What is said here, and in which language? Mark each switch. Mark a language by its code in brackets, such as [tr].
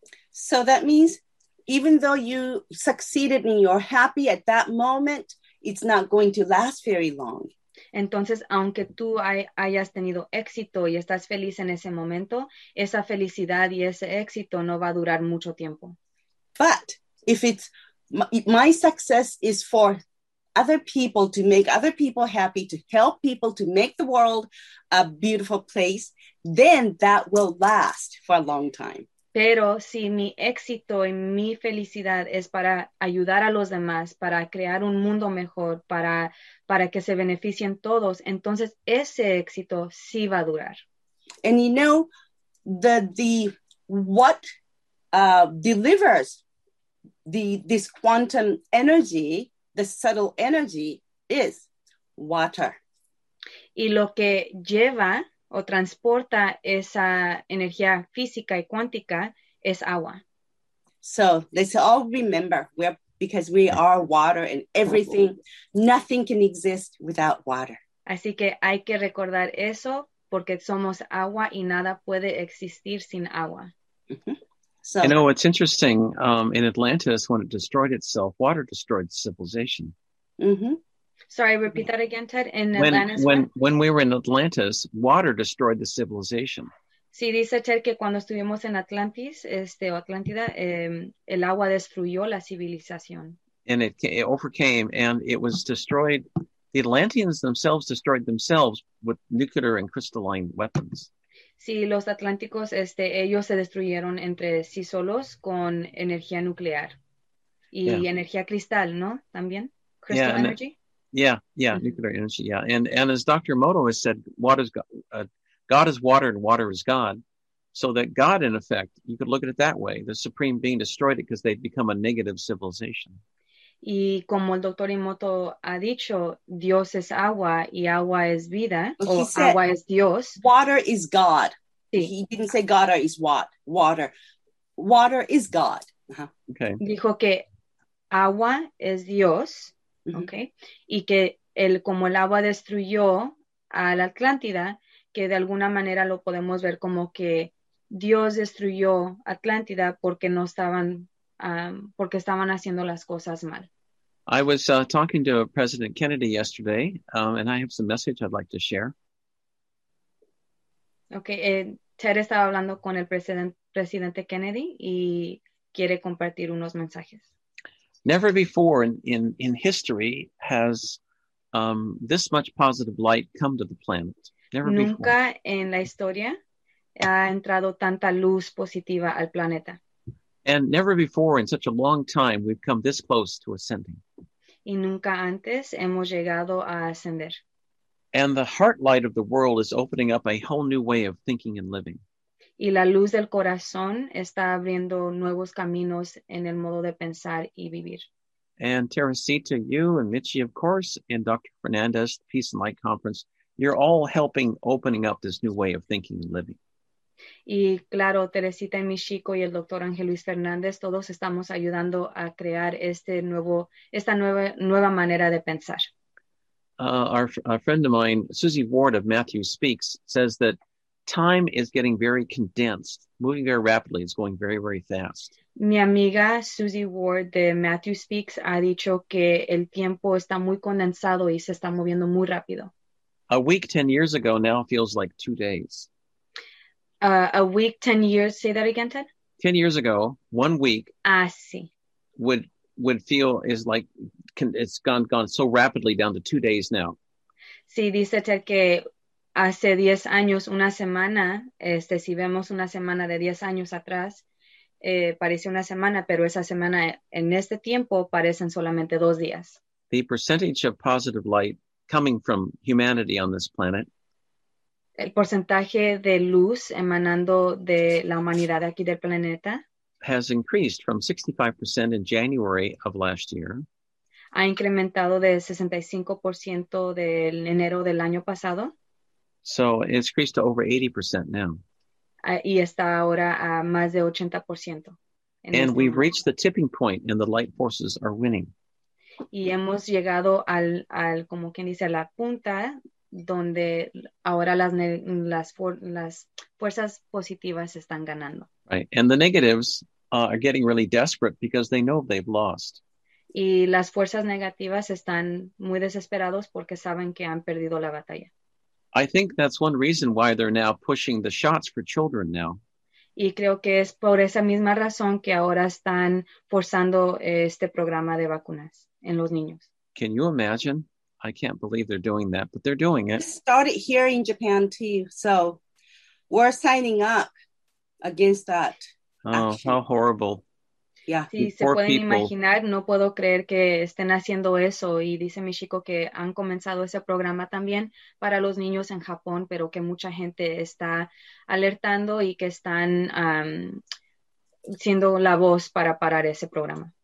[en] So that means, even though you succeeded and you're happy at that moment, it's not going to last very long. [es] Entonces, aunque tú hayas tenido éxito y estás feliz en ese momento, esa felicidad y ese éxito no va a durar mucho tiempo. [en] But if it's my success is for other people, to make other people happy, to help people, to make the world a beautiful place, then that will last for a long time. [es] Pero si mi éxito y mi felicidad es para ayudar a los demás, para crear un mundo mejor, para que se beneficien todos, entonces ese éxito sí va a durar. [en] And you know, what delivers this quantum energy, the subtle energy, is water. [es] Y lo que lleva o transporta esa energía física y cuántica es agua. [en] So let's all remember, because we are water and everything, nothing can exist without water. [es] Así que hay que recordar eso porque somos agua y nada puede existir sin agua. Mm-hmm. [en] So, you know, it's interesting, in Atlantis, when it destroyed itself, water destroyed civilization. Mm-hmm. Sorry, repeat that again, Ted. When we were in Atlantis, water destroyed the civilization. [es] Sí, dice Ted que cuando estuvimos en Atlantis, o Atlántida, el agua destruyó la civilización. [en] And it overcame, and it was destroyed. The Atlanteans themselves destroyed themselves with nuclear and crystalline weapons. [es] Sí, los Atlánticos, ellos se destruyeron entre sí solos con energía nuclear. Y yeah. Energía cristal, ¿no? También, crystal yeah, [en] energy. Yeah, mm-hmm. Nuclear energy, yeah. And as Dr. Moto has said, God is water and water is God. So that God, in effect, you could look at it that way, the Supreme Being destroyed it because they'd become a negative civilization. [es] Y como el Dr. Moto ha dicho, Dios es agua y agua es vida, [en] well, [es] o [en] said, [es] agua es Dios. [en] Water is God. [es] Sí. [en] He didn't say God is what? Water. Water is God. Uh-huh. Okay. [es] Dijo que agua es Dios. Okay, y que el como el agua destruyó a la Atlántida, que de alguna manera lo podemos ver como que Dios destruyó Atlántida porque no estaban porque estaban haciendo las cosas mal. [en] I was talking to President Kennedy yesterday, and I have some message I'd like to share. [es] Okay, Ted estaba hablando con el presidente Kennedy y quiere compartir unos mensajes. [en] Never before in history has this much positive light come to the planet. Never [es] Nunca [en] before. [es] Nunca en la historia ha entrado tanta luz positiva al planeta. [en] And never before in such a long time we've come this close to ascending. [es] Y nunca antes hemos llegado a ascender. [en] And the heart light of the world is opening up a whole new way of thinking and living. [es] Y la luz del corazón está abriendo nuevos caminos en el modo de pensar y vivir. [en] And Teresita, you and Michi, of course, and Dr. Fernandez, the Peace and Light Conference, you're all helping opening up this new way of thinking and living. [es] Y claro, Teresita y Michiko y el Dr. Ángel Luis Fernández, todos estamos ayudando a crear esta nueva manera de pensar. [en] Our friend of mine, Susie Ward of Matthew Speaks, says that time is getting very condensed. Moving very rapidly is going very, very fast. [es] Mi amiga Susie Ward de Matthew Speaks ha dicho que el tiempo está muy condensado y se está moviendo muy rápido. [en] A week 10 years ago now feels like 2 days. A week 10 years, say that again, Ted? 10 years ago, 1 week [es] Ah, sí. [en] would feel is like it's gone so rapidly down to 2 days now. [es] Sí, dice Ted que hace 10 años, una semana, si vemos una semana de 10 años atrás, parece una semana, pero esa semana en este tiempo parecen solamente 2 días. [en] The percentage of positive light coming from humanity on this planet. [es] El porcentaje de luz emanando de la humanidad aquí del planeta [en] has increased from 65% in January of last year. [es] Ha incrementado de 65% del enero del año pasado. [en] So it's increased to over 80% now. [es] Y está ahora a más de 80%. [en] And we've reached the tipping point and the light forces are winning. [es] Y hemos llegado al como quien dice, la punta donde ahora las fuerzas positivas están ganando. [en] Right. And the negatives are getting really desperate because they know they've lost. [es] Y las fuerzas negativas están muy desesperados porque saben que han perdido la batalla. [en] I think that's one reason why they're now pushing the shots for children now. [es] Y creo que es por esa misma razón que ahora están forzando este programa de vacunas en los niños. [en] Can you imagine? I can't believe they're doing that, but they're doing it. It started here in Japan too, so we're signing up against that. Oh, how horrible. Yeah. [es] Sí, se pueden imaginar, no puedo creer que estén haciendo eso. Y dice mi chico que han comenzado ese programa también para los niños en Japón, pero que mucha gente está alertando y que están siendo la voz para parar ese programa.